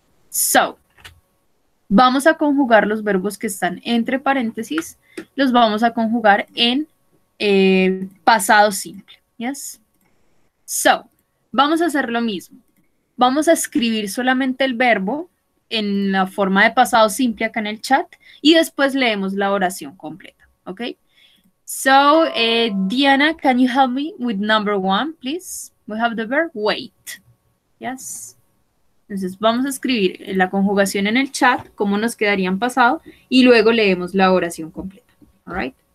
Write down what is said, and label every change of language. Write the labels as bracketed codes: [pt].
[es] So, vamos a conjugar los verbos que están entre paréntesis, los vamos a conjugar en pasado simple, ¿yes? So, vamos a hacer lo mismo. Vamos a escribir solamente el verbo en la forma de pasado simple acá en el chat y después leemos la oración completa, ¿ok? [en] So, Diana, can you help me with number one, please? We have the verb wait. Yes. [es] Entonces, vamos a escribir la conjugación en el chat, cómo nos quedaría en pasado, y luego leemos la oración completa, ¿all right?